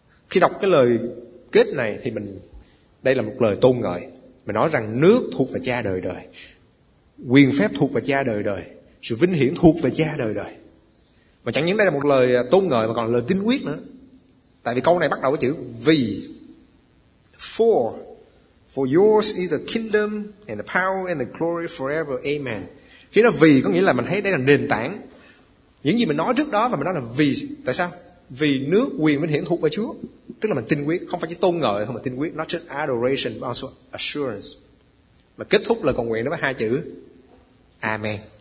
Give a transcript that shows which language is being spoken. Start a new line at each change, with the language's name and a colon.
Vietnamese: Khi đọc cái lời kết này thì mình, đây là một lời tôn ngợi. Mình nói rằng nước thuộc về cha đời đời, quyền phép thuộc về cha đời đời, sự vinh hiển thuộc về cha đời đời. Mà chẳng những đây là một lời tôn ngợi mà còn là lời tín quyết nữa. Tại vì câu này bắt đầu với chữ vì, for,
English: For yours is the kingdom and the power and the glory forever. Amen.
Vietnamese: Khi nó vì có nghĩa là mình thấy đây là nền tảng. Những gì mình nói trước đó và mình nói là vì. Tại sao? Vì nước quyền vinh hiển thuộc về Chúa. Tức là mình tin quyết. Không phải chỉ tôn ngợi thôi mà tin quyết.
English: Not just adoration but also assurance.
Vietnamese: Mà kết thúc lời cầu nguyện đó với hai chữ Amen.